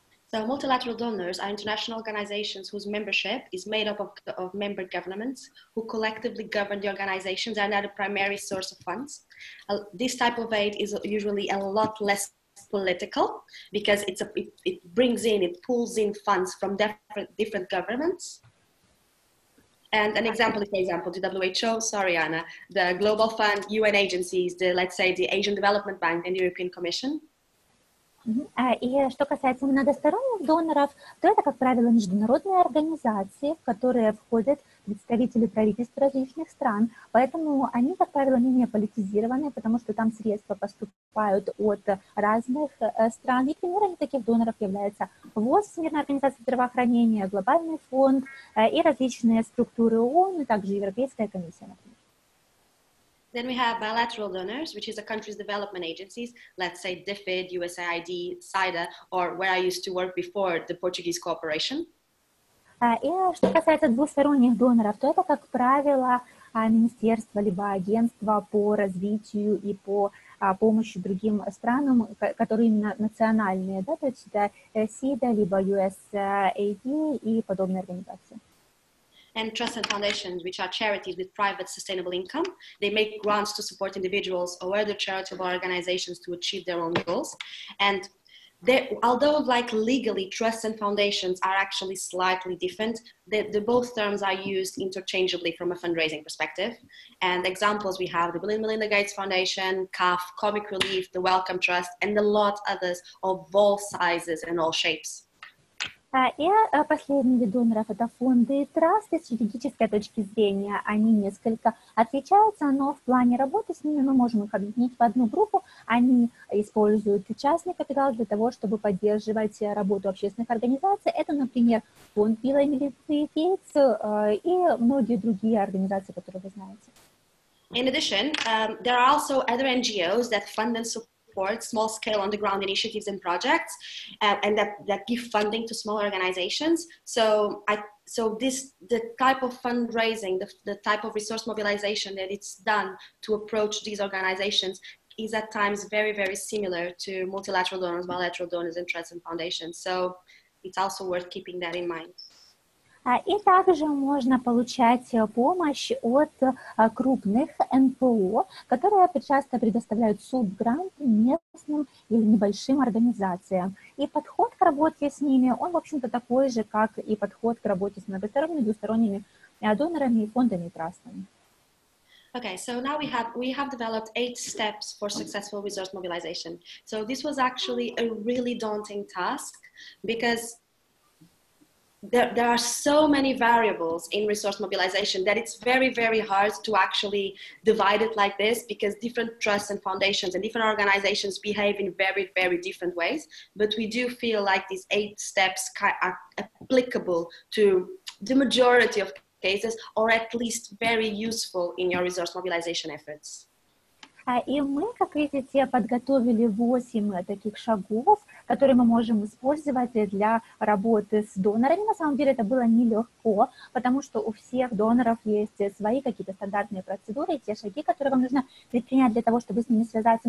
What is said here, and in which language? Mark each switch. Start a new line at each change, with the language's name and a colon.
English: So multilateral donors are international organizations whose membership is made up of member governments who collectively govern the organizations and are the primary source of funds. This type of aid is usually a lot less political because it pulls in funds from different governments. And an example, for example, the WHO, sorry, Anna, the Global Fund, UN agencies, the Asian Development Bank and European Commission.
Russian: И что касается многосторонних доноров, то это, как правило, международные организации, в которые входят представители правительств различных стран. Поэтому они, как правило, менее политизированы, потому что там средства поступают от разных стран. И примерами таких доноров являются ВОЗ, Всемирная организация здравоохранения, Глобальный фонд и различные структуры ООН, и также Европейская комиссия, например.
English: Then we have bilateral donors, which is a country's development agencies, let's say DFID, USAID, SIDA, or where I used to work before, the Portuguese Cooperation.
Russian: И что касается двусторонних доноров, то это, как правило, министерство либо агентство по развитию и по помощи другим странам, которые именно национальные, да, то есть это SIDA, либо USAID и подобные организации.
English: And trusts and foundations, which are charities with private sustainable income. They make grants to support individuals or other charitable organizations to achieve their own goals. And although legally trusts and foundations are actually slightly different, the both terms are used interchangeably from a fundraising perspective. And examples we have the Bill and Melinda Gates Foundation, CAF, Comic Relief, the Wellcome Trust, and a lot others of all sizes and all shapes.
Russian: И последний вид доноров – это фонды и трасты. С юридической точки зрения они несколько отличаются, но в плане работы с ними мы можем их объединить в одну группу. Они используют частный капитал для того, чтобы поддерживать работу общественных организаций. Это, например, фонд Билла и Мелинды Гейтс и многие другие организации, которые вы знаете.
English: In addition, there are also other NGOs that fund and support small scale on the ground initiatives and projects and that give funding to small organizations. So I So this, the type of fundraising, the type of resource mobilization that it's done to approach these organizations is at times very, very similar to multilateral donors, bilateral donors, and trusts and foundations. So it's also worth keeping that in mind.
Ukrainian: І також можна получати допомогу від крупних НПО, які під час предоставляють субгрант місцевим і небольшим організаціям. І підхід до роботи з ними, він,
Russian: в общем-то,
Ukrainian: такий же, як і підхід до роботи з многосторонніми, двосторонніми донорами, фондами і трастами.
English: Okay, so now we have developed 8 steps for successful resource mobilization. So this was actually a really daunting task because there are so many variables in resource mobilization that it's very, very hard to actually divide it like this because different trusts and foundations and different organizations behave in very, very different ways. But we do feel like these 8 steps are applicable to the majority of cases or at least very useful in your resource mobilization efforts.
Ukrainian: І ми, як видите, підготовили 8 таких шагів, які ми можемо використовувати для роботи з донорами.
Russian: На самом деле,
Ukrainian: це було нелегко, тому що у всіх донорів є свої якісь стандартні процедури, і ті шаги, які вам потрібно предприняти для того, щоб з ними зв'язатися.